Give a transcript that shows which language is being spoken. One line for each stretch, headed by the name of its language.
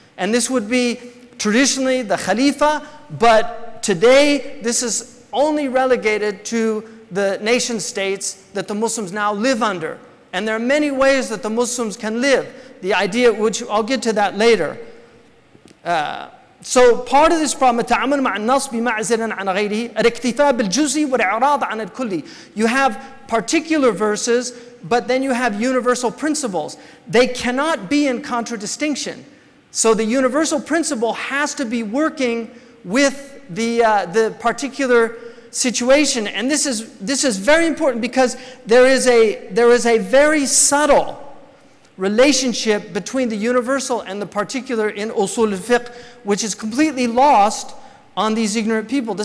English: And this would be traditionally the Khalifa, but today this is only relegated to the nation states that the Muslims now live under. And there are many ways that the Muslims can live. The idea, which I'll get to that later. So part of this problem,
Arabic: التعامل مع النص بمعزل عن غيره, الاكتفاء بالجزء والإعراض عن الكل.
English: You have particular verses, but then you have universal principles. They cannot be in contradistinction. So the universal principle has to be working with the particular situation. And this is very important because there is a very subtle relationship between the universal and the particular in usul al-fiqh, which is completely lost on these ignorant people.